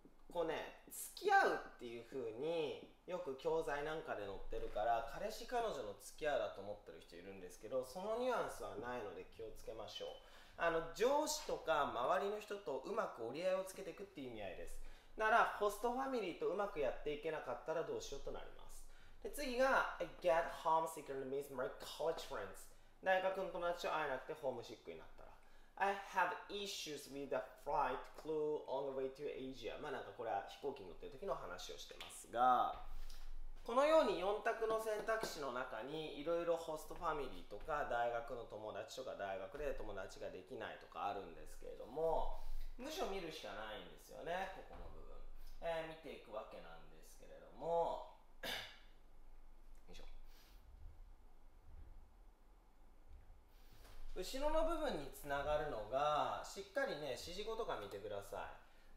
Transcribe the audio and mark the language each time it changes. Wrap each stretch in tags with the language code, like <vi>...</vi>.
<ja>こうね、付き合うっていう風によく教材なんかで載ってるから、彼氏彼女の付き合うだと思ってる人いるんですけど、そのニュアンスはないので気をつけましょう。上司とか周りの人とうまく折り合いをつけていくっていう意味合いです。ならホストファミリーとうまくやっていけなかったらどうしようとなります。で、次が</ja> <en>I get homesick and miss my college friends.</en> <ja>大学の友達と会えなくてホームシックになったら。</ja> <en>I have issues with the flight crew on the way to Asia.</en> <ja>まあなんかこれは飛行機に乗ってる時の話をしてますが、このように4択の選択肢の中にいろいろホストファミリーとか大学の友達とか大学で友達ができないとかあるんですけれども、むしろ見るしかないんですよね、ここの部分、見ていくわけなんですけれどもよいしょ、後ろの部分につながるのが、しっかりね、指示語とか見てください。</ja>